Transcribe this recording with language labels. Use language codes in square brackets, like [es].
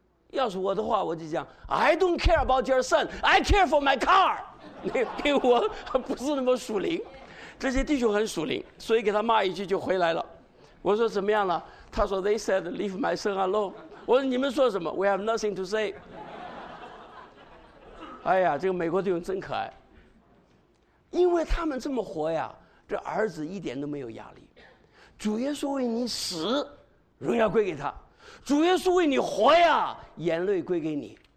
[zh] 要是我的话，我就讲 [en] I don't care about your son, I care for my car. [zh] 因为我不是那么属灵，这些弟兄很属灵，所以给他骂一句就回来了。我说怎么样了？他说 [en] They said leave my son alone. [zh] 我说你们说什么？ [en] We have nothing to say. [zh] 哎呀，这个美国弟兄真可爱。因为他们这么活呀，这儿子一点都没有压力。主耶稣为你死，荣耀归给他；主耶稣为你活呀，眼泪归给你。